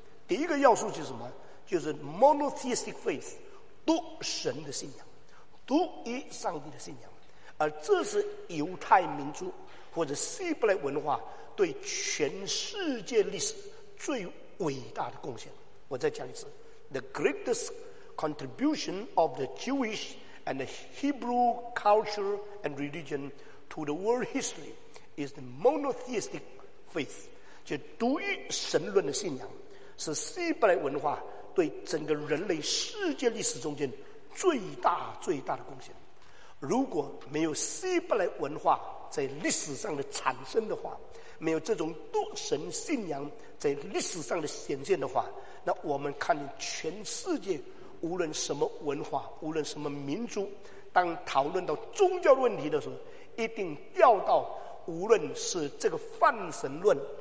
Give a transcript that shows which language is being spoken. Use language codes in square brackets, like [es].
[zh] 第一个要素是什么？就是 monotheistic faith， 独神的信仰，独一上帝的信仰。而这是犹太民族或者希伯来文化对全世界历史最伟大的贡献。我再讲一次， [en] The greatest contribution of the Jewish and the Hebrew culture and religion to the world history is the monotheistic faith， [zh] 就独一神论的信仰，是希伯来文化对整个人类世界历史中间最大最大的贡献。如果没有希伯来文化在历史上的产生的话，没有这种独神信仰在历史上的显现的话，那我们看全世界无论什么文化，无论什么民族，当讨论到宗教问题的时候，一定掉到无论是这个泛神论，